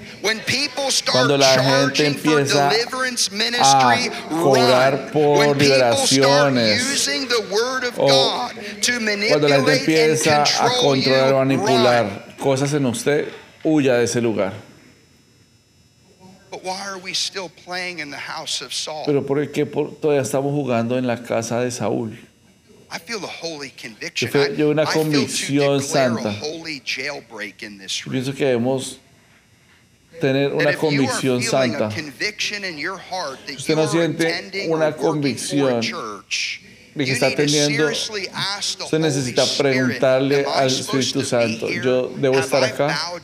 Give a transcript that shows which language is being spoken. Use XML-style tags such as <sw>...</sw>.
<en>When people start charging for deliverance ministry, run. When people start using the word of God to manipulate and control you,</en> <es>manipular cosas en usted, huya de ese lugar.</es> <en>But why are we still playing in the house of Saul?</en> <es>Pero ¿por qué todavía estamos jugando en la casa de Saúl?</es> <en>I feel a holy conviction.</en> <es>Yo una convicción santa. Pienso que debemos tener una convicción santa. Usted no siente una convicción de que está teniendo, usted necesita preguntarle al Espíritu Santo, ¿yo debo estar acá?</es>